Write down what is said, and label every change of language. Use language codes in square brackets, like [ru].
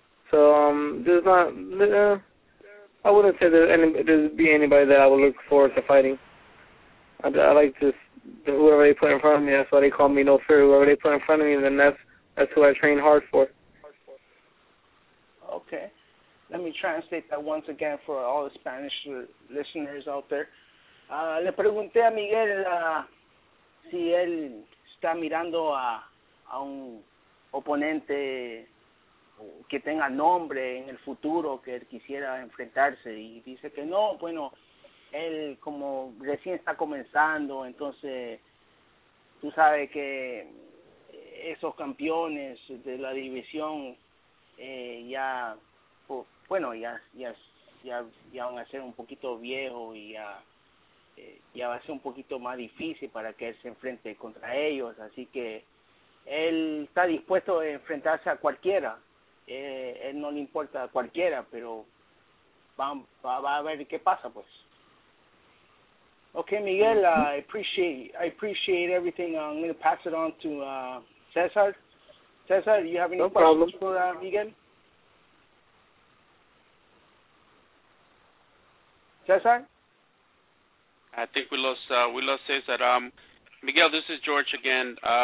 [en] So there's not, I wouldn't say there'd be anybody that I would look forward to fighting. I like just whoever they put in front of me. That's why they call me No Fear. Whoever they put in front of me, then that's who I train hard for. Okay, let me translate that once again for all the Spanish listeners out there. [es] Le pregunté a Miguel si él está mirando a un oponente que tenga nombre en el futuro que él quisiera enfrentarse, y dice que no. Bueno, él como recién está comenzando, entonces tú sabes que esos campeones de la división ya van a ser un poquito viejo y ya va a ser un poquito más difícil para que él se enfrente contra ellos, así que él está dispuesto a enfrentarse a cualquiera. Él no le importa a cualquiera, pero va a ver qué pasa, pues. [en] Okay, Miguel, I appreciate everything. I'm going to pass it on to César. César, do you have any no questions problem. For Miguel? César? I think we lost César. Miguel, this is George again.